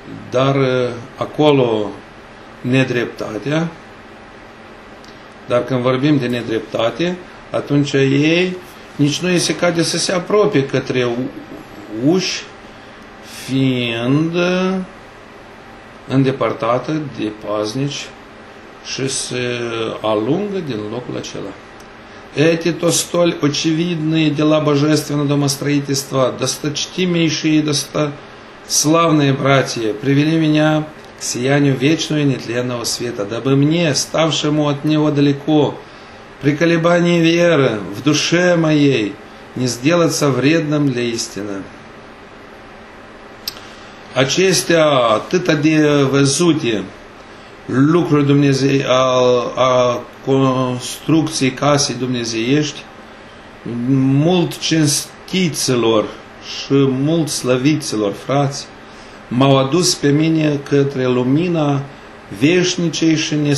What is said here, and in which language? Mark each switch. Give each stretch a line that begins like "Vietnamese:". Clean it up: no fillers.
Romanian: Dar acolo nedreptatea, dar când vorbim de nedreptate, atunci ei nici nu îi se cade să se apropie către uși, fiind îndepărtată de paznici și se alungă din locul acela.
Russian: Эти то столь очевидные дела божественного домостроительства, досточтимейшие и славные братья, привели меня к сиянию вечного и нетленного света, дабы мне, ставшему от него далеко, при колебании веры в душе моей, не сделаться вредным для истины.
Romanian: Acestea, atâta de văzute lucruri Dumnezei, a construcției casei dumnezeiești, mult cinstiților și mult slăviților, frați, m-au adus pe mine către lumina veșnicei și